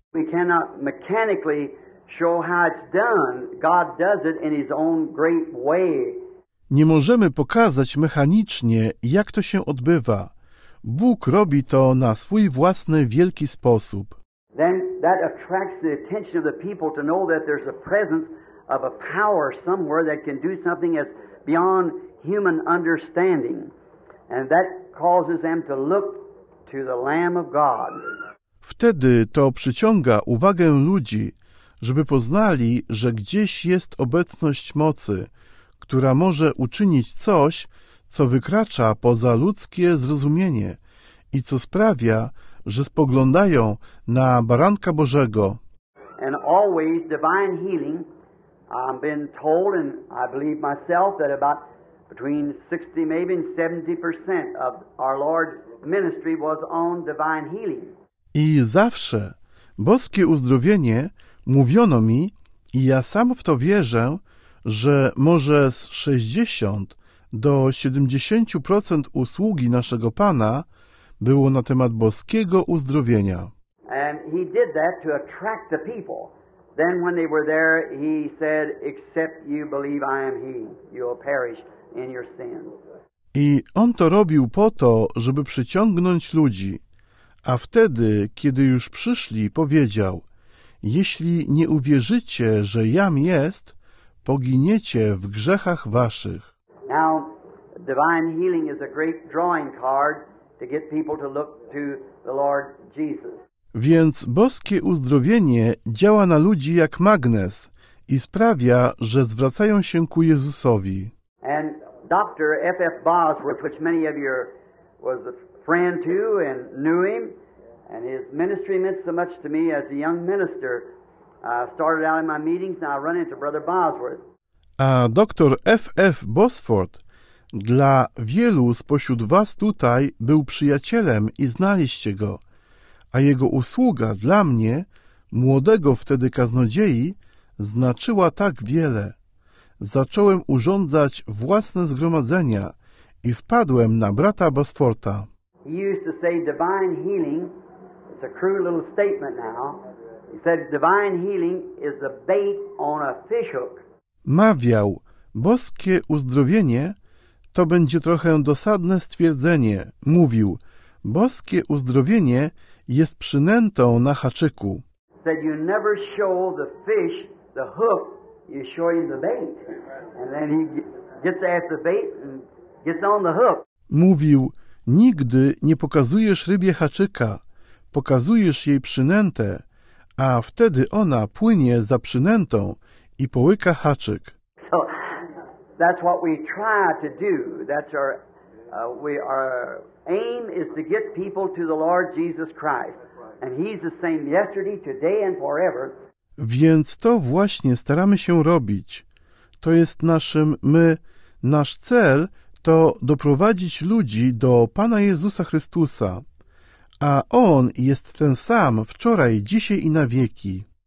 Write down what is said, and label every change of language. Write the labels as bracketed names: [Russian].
[English] We cannot mechanically show how it's done. God does it in his own great way. [Polish] Nie możemy pokazać mechanicznie, jak to się odbywa. Bóg robi to na swój własny wielki sposób. [English] Then that attracts the attention of the people to know that there's a presence of a power somewhere that can do something that's beyond human understanding. And that causes them to look to the Lamb of God. [Polish] Wtedy to przyciąga uwagę ludzi, żeby poznali, że gdzieś jest obecność mocy, która może uczynić coś, co wykracza poza ludzkie zrozumienie i co sprawia, że spoglądają na Baranka Bożego. [English] And always divine healing. I've been told, and I believe myself, that about between 60, maybe 70% of our Lord's ministry was on divine healing. [Polish] I zawsze boskie uzdrowienie mówiono mi, i ja sam w to wierzę, że może z 60 do 70% usługi naszego Pana było na temat boskiego uzdrowienia. [English] And he did that to attract the people. Then when they were there, he said, except you believe I am he, you will perish in your sins. [Polish] I on to robił po to, żeby przyciągnąć ludzi. A wtedy, kiedy już przyszli, powiedział, jeśli nie uwierzycie, że jam jest, poginiecie w grzechach waszych. [English] Now, divine healing is a great drawing card to get people to look to the Lord Jesus. [Polish] Więc boskie uzdrowienie działa na ludzi jak magnes i sprawia, że zwracają się ku Jezusowi. [English] And Dr. F.F. Bosworth, which many of you was a friend too and knew him, and his ministry meant so much to me as a young minister. Started out in my meetings, and I run into Brother Bosworth. [Polish] A Dr. F.F. Bosworth dla wielu spośród was tutaj był przyjacielem i znaliście go, a jego usługa dla mnie, młodego wtedy kaznodziei, znaczyła tak wiele. Zacząłem urządzać własne zgromadzenia i wpadłem na brata Bosfortha. [English] He used to say divine healing, it's a crude little statement now, he said divine healing is the bait on a fish hook. [Polish] Mawiał, boskie uzdrowienie to będzie trochę dosadne stwierdzenie. Mówił, boskie uzdrowienie jest przynętą na haczyku. [English] Said you never show the fish the hook, you show him the bait. And then he gets at the bait and gets on the hook. [Polish] Mówił, nigdy nie pokazujesz rybie haczyka, pokazujesz jej przynętę, a wtedy ona płynie za przynętą i połyka haczyk. [English] So, that's what we try to do. That's our aim is to get people to the Lord Jesus Christ. And he's the same yesterday, today and forever. [Polish] Więc to właśnie staramy się robić. To jest nasz cel to doprowadzić ludzi do Pana Jezusa Chrystusa, a On jest ten sam wczoraj, dzisiaj i na wieki.